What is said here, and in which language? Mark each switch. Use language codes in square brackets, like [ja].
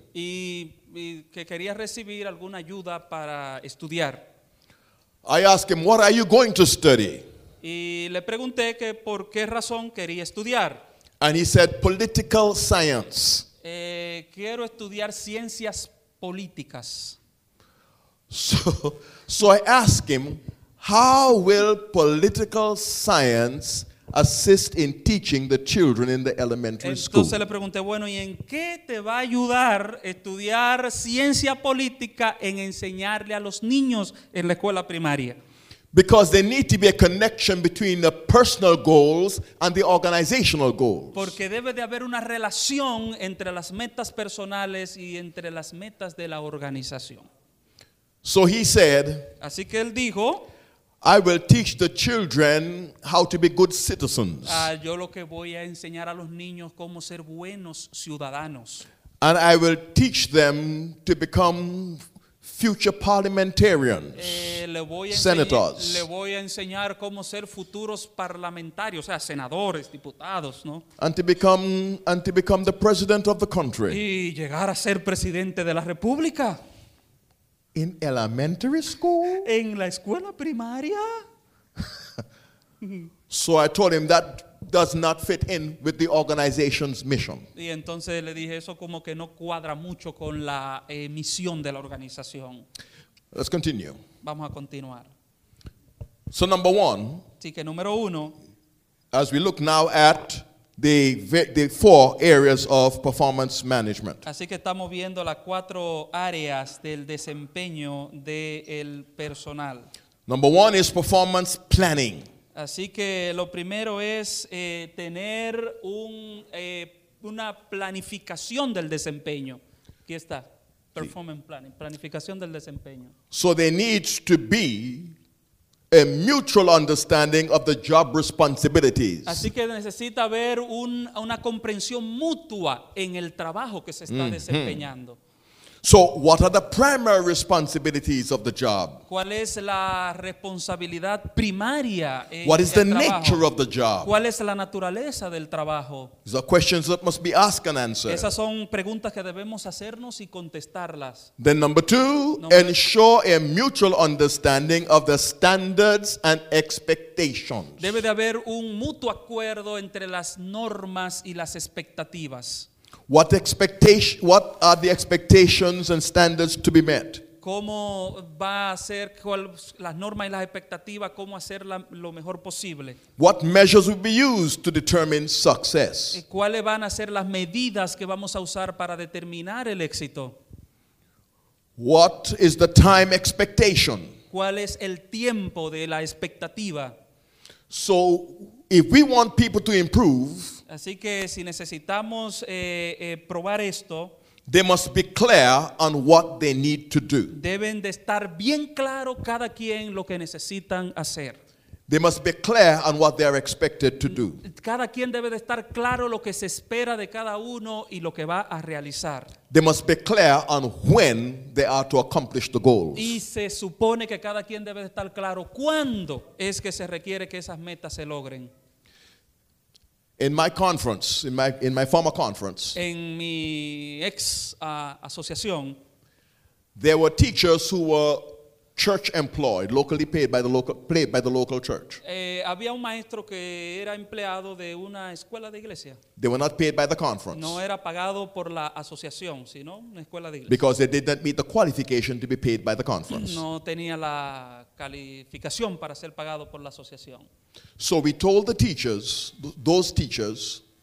[es] Y que quería recibir alguna ayuda para estudiar. [en] I asked him, "What are you going to study?" [es] Y le pregunté que por qué razón quería estudiar. [en] And he said, "Political science." [es] Quiero estudiar ciencias políticas. [en] So I ask him, how will political science assist in teaching the children in the elementary [es] entonces [en] school? [es] Entonces le pregunté, bueno, ¿y en qué te va a ayudar estudiar ciencia política en enseñarle a los niños en la escuela primaria? [en] Because there need to be a connection between the personal goals and the organizational goals. [es] Porque debe de haber una relación entre las metas personales y entre las metas de la organización. [en] So he said, [es] así que él dijo, [en] I will teach the children how to be good citizens. [es] Yo lo que voy a enseñar a los niños cómo ser buenos ciudadanos. [en] And I will teach them to become future parliamentarians, senators. [es] Le voy a enseñar cómo ser futuros parlamentarios, o sea, senadores, diputados, ¿no? [en] And to become the president of the country. [es] Y llegar a ser presidente de la República. [en] In elementary school? [es] En la escuela primaria. [en] So I told him that does not fit in with the organization's mission. [es] Y entonces le dije eso como que no cuadra mucho con la misión de la organización. [en] Let's continue. [es] Vamos a continuar. [en] So number one. [es] Así que número uno. [en] As we look now at the four areas of performance management. [es] Así que estamos viendo las cuatro áreas del desempeño del personal. [en] Number one is performance planning. [es] Así que lo primero es tener una planificación del desempeño. Aquí está, [en] performance planning, [es] planificación del desempeño. [en] So there needs to be a mutual understanding of the job responsibilities. [es] Así que necesita haber una comprensión mutua en el trabajo que se está desempeñando. Mm-hmm. [en] So what are the primary responsibilities of the job? [es] ¿Cuál es la responsabilidad primaria en el trabajo? [en] What is the nature of the job? [es] ¿Cuál es la naturaleza del trabajo? [en] These are questions that must be asked and answered. [es] Esas son preguntas que debemos hacernos y contestarlas. [en] Then number two, ensure a mutual understanding of the standards and expectations. [es] Debe de haber un mutuo acuerdo entre las normas y las expectativas. [en] What are the expectations and standards to be met? [es] ¿Cómo va a ser las normas y las expectativas, cómo hacerla lo mejor posible? [en] What measures will be used to determine success? [es] ¿Cuáles van a ser las medidas que vamos a usar para determinar el éxito? [en] What is the time expectation? [es] ¿Cuál es el tiempo de la expectativa? [en] So if we want people to improve, [es] así que si necesitamos probar esto, [en] they must be clear on what they need to do. [es] Deben de estar bien claro cada quien lo que necesitan hacer. [en] They must be clear on what they are expected to do. [es] Cada quien debe de estar claro lo que se espera de cada uno y lo que va a realizar. [en] They must be clear on when they are to accomplish the goals. [es] Y se supone que cada quien debe de estar claro cuándo es que se requiere que esas metas se logren. [en] In my conference, in my former conference, [es] en mi ex asociación, [en] there were teachers who were church employed, locally paid by the local church. [es] Había un maestro que era empleado de una escuela de iglesia. [en] They were not paid by the conference. [es] No era pagado por la asociación, sino una escuela de iglesia. [en] Because they did not meet the qualification to be paid by the conference. [es] No tenía la calificación para ser pagado por la asociación. [en] So we told the teachers, those teachers,